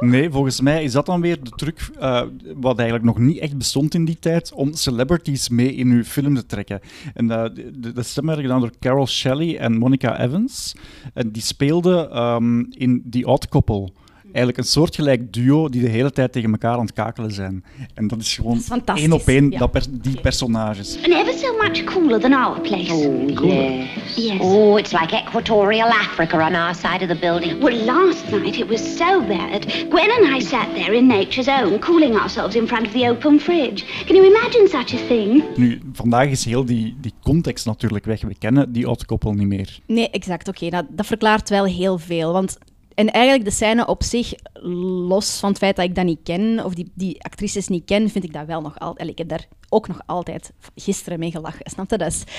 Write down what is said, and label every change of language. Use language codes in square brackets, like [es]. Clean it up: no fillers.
[nl] Nee, volgens mij is dat dan weer de truc wat eigenlijk nog niet echt bestond in die tijd, om celebrities mee in uw film te trekken. En de stem werd gedaan door Carol Shelley en Monica Evans. En die speelden in The Odd Couple. Eigenlijk een soortgelijk duo die de hele tijd tegen elkaar aan het kakelen zijn. En dat is gewoon één op één, ja, die personages. [en] And ever so much cooler than our place. Oh, cooler. Yes. Oh, it's like equatorial Africa on our side of the building. Well, last night it was so bad. Gwen and I sat there in nature's own, cooling ourselves in front of the open fridge. Can you imagine such a thing? [nl] Nu, vandaag is heel die context natuurlijk weg. We kennen die Odd Couple niet meer. Nee, exact. Oké, dat verklaart wel heel veel, want... En eigenlijk de scène op zich, los van het feit dat ik dat niet ken, of die actrices niet ken, vind ik dat wel nog altijd... Ik heb daar ook nog altijd gisteren mee gelachen, snap je?